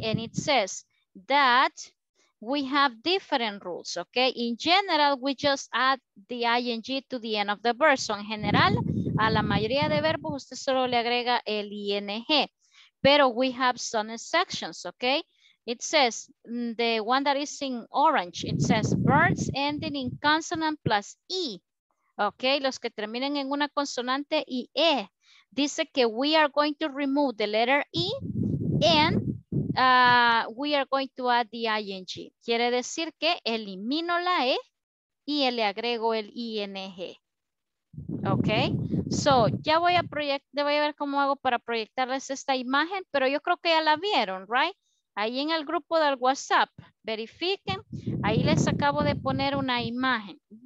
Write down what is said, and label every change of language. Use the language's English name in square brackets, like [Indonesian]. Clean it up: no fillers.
[English] And it says that we have different rules, okay? In general, we just add the ing to the end of the verb. [Spanish] So en general, a la mayoría de verbos, usted solo le agrega el ing. [English] Pero we have some exceptions, okay? It says, the one that is in orange, it says verbs ending in consonant plus E. [Spanish] Okay, los que terminen en una consonante y E. Dice que [English] we are going to remove the letter E and we are going to add the ing. [Spanish] Quiere decir que elimino la E y le agrego el ing. Ok, so ya voy a proyectar, voy a ver cómo hago para proyectarles esta imagen, pero yo creo que ya la vieron, right? Ahí en el grupo del WhatsApp, verifiquen, ahí les acabo de poner una imagen.